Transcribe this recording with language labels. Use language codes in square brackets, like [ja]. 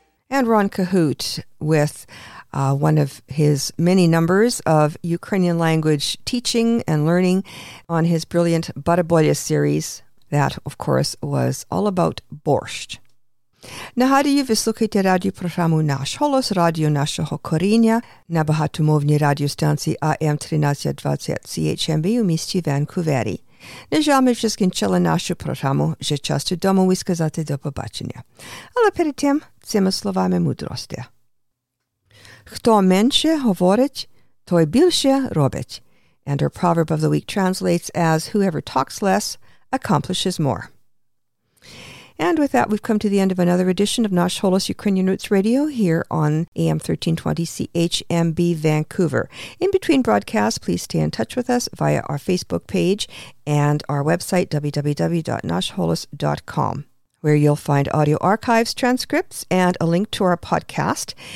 [en] Kahoot with one of his many numbers of Ukrainian language teaching and learning on his brilliant Barabolya series that, of course, was all about borscht. [uk] Нагадую, ви слухаєте радіопрограму «Наш Голос», радіо нашого коріння на багатомовній радіостанції АМ 1320 CHMB у місті Ванкувері. На жаль, ми вже скінчили нашу програму, вже час додому і сказати до побачення. Але перед тим, цими словами мудрості. Хто менше говорить, той більше робить. [en] And our proverb of the week translates as, whoever talks less accomplishes more. And with that, we've come to the end of another edition of Nash Holos Ukrainian Roots Radio here on AM 1320 CHMB Vancouver. In between broadcasts, please stay in touch with us via our Facebook page and our website, www.nashholos.com, where you'll find audio archives, transcripts, and a link to our podcast.